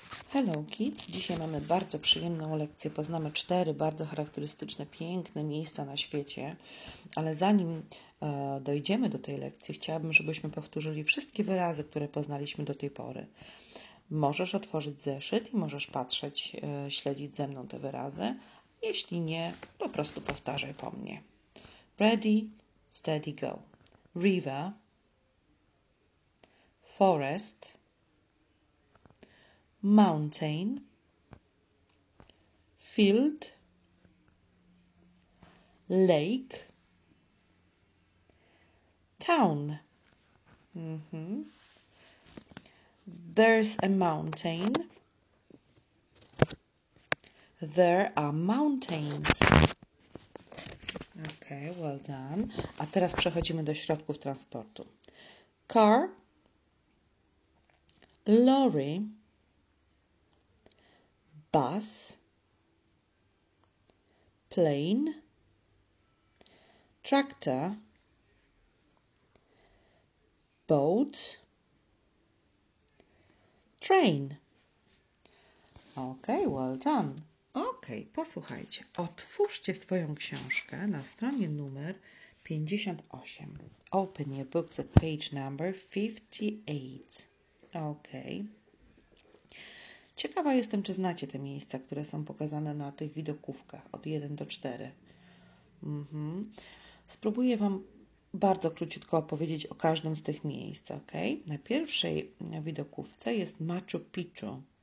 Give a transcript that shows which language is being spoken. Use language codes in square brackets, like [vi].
[en] Hello kids, [pl] dzisiaj mamy bardzo przyjemną lekcję. Poznamy cztery bardzo charakterystyczne, piękne miejsca na świecie, ale zanim dojdziemy do tej lekcji, chciałabym, żebyśmy powtórzyli wszystkie wyrazy, które poznaliśmy do tej pory. Możesz otworzyć zeszyt i możesz patrzeć, śledzić ze mną te wyrazy. Jeśli nie, po prostu powtarzaj po mnie. [en] Ready, steady, go. River, forest, mountain, field, lake, town. There's a mountain. There are mountains. Okay, well done. [pl] A teraz przechodzimy do środków transportu. [en] Car, lorry, bus, plane, tractor, boat, train. Okay, well done. Okay, [pl] posłuchajcie. Otwórzcie swoją książkę na stronie numer 58. [en] Open your books at page number 58. Okay. [pl] Ciekawa jestem, czy znacie te miejsca, które są pokazane na tych widokówkach od 1 do 4. Spróbuję Wam bardzo króciutko opowiedzieć o każdym z tych miejsc. Okay? Na pierwszej widokówce jest Machu Picchu.